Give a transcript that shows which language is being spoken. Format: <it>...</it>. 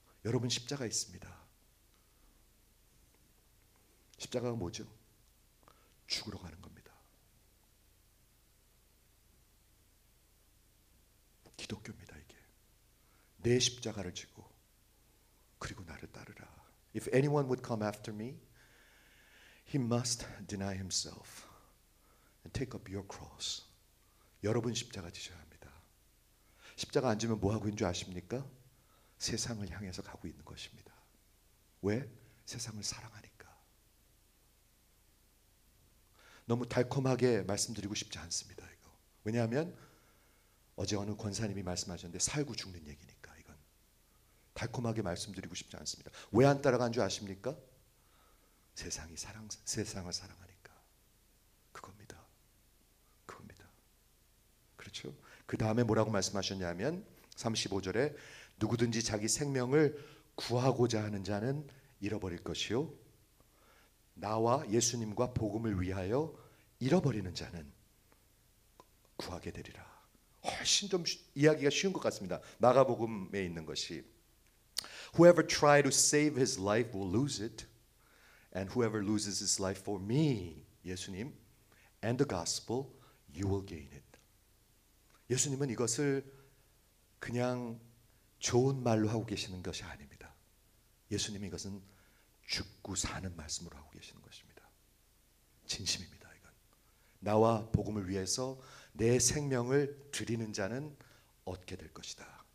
<ko>여러분 십자가 있습니다. 십자가가 뭐죠? 죽으러 가는 겁니다. 기독교입니다. 이게 내 십자가를 지고 그리고 나를 따르라.</ko> <en>If anyone would come after me, he must deny himself and take up your cross.</en> <ko>여러분 십자가 지셔야 합니다. 십자가 안 지면 뭐 하고 있는 줄 아십니까? 세상을 향해서 가고 있는 것입니다. 왜? 세상을 사랑하니까. 너무 달콤하게 말씀드리고 싶지 않습니다. 이거. 왜냐하면 어제 어느 권사님이 말씀하셨는데 살고 죽는 얘기니까 이건 달콤하게 말씀드리고 싶지 않습니다. 왜 안 따라간 줄 아십니까? 세상을 사랑하니까. 그겁니다. 그겁니다. 그렇죠? 그 다음에 뭐라고 말씀하셨냐면 35절에 누구든지 자기 생명을 구하고자 하는 자는 잃어버릴 것이요. 나와 예수님과 복음을 위하여 잃어버리는 자는 구하게 되리라. 훨씬 좀 이야기가 쉬운 것 같습니다. 마가복음에 있는 것이</ko> <en>Whoever try to save his life will lose it and whoever loses his life for me, 예수님, and the gospel, you will gain it.</en> <ko>예수님은 이것을 그냥 좋은 말로 하고 계시는 것이 아닙니다. 예수님이 이것은 죽고 사는 말씀으로 하고 계시는 것입니다. 진심입니다. 이건 나와 복음을 위해서 내 생명을 드리는 자는 얻게 될 것이다.</ko>